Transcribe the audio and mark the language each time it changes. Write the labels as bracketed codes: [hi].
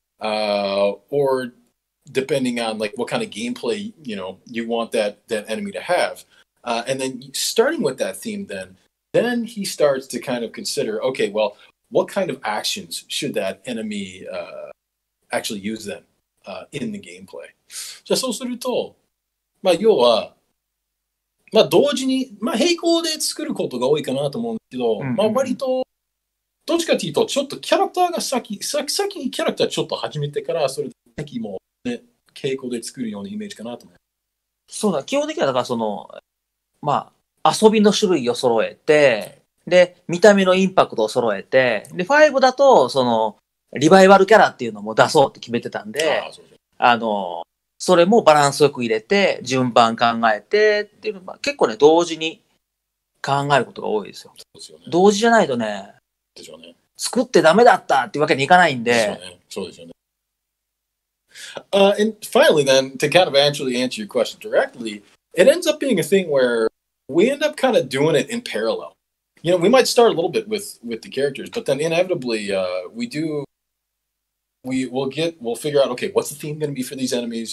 [en] Or depending on, like, what kind of gameplay, you know, you want that enemy to have. And then starting with that theme then he starts to kind of consider, okay, well, what kind of actions should that enemy actually use then in the gameplay? [ja] じゃあ そうすると、まあ要は、まあ同時に、まあ並行で作ることが多いかなと思うんですけど、まあ割と、どっちかというと、ちょっとキャラクターが先にキャラクターちょっと始めてから、それで敵もね、傾向で作るようなイメージかなと思う。そうだ、基本的にはだからその、まあ、遊びの種類を揃えて、で、見た目のインパクトを揃えて、で、5だと、その、リバイバルキャラっていうのも出そうって決めてたんで、あの、それもバランスよく入れて、順番考えてっていうのは、結構ね、同時に考えることが多いですよ。そうですよね。同時じゃないとね、でしょうね。作ってダメだったっていうわけにいかないんで。そうですよね。 [en] And finally then, to kind of actually answer your question directly, it ends up being a thing where we end up kind of doing it in parallel. You know, we might start a little bit with the characters, but then inevitably we'll figure out, okay, what's the theme going to be for these enemies?